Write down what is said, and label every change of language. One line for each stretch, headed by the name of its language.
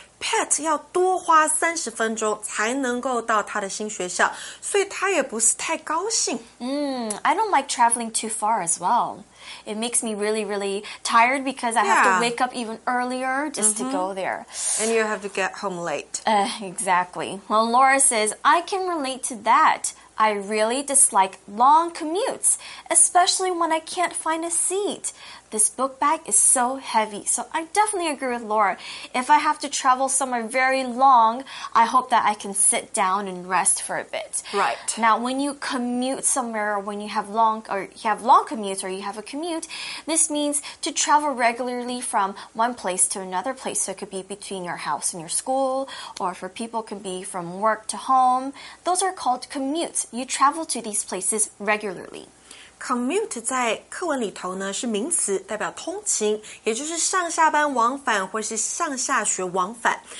Chinese: Pat 要多花30分钟才能够到他的新学校。所以他也不是太高兴。
English: I don't like traveling too far as well. It makes me really, really tired because I have to wake up even earlier just to go there. And you have to get home late. Exactly. Well, Laura says, I can relate to that. I really dislike long commutes, especially when I can't find a seat. This book bag is so heavy, so I definitely agree with Laura. If I have to travel somewhere very long, I hope that I can sit down and rest for a bit. Right. Now, when you commute somewhere, or when you have long, or you have long commutes, or you have a commute, this means to travel regularly from one place to another place. So it could be between your house and your school, or for people, it could be from work to home. Those are called commutes. You travel to these places regularly.
Chinese: Commute 在课文里头呢是名词，代表通勤，也就是上下班往返或是上下学往返。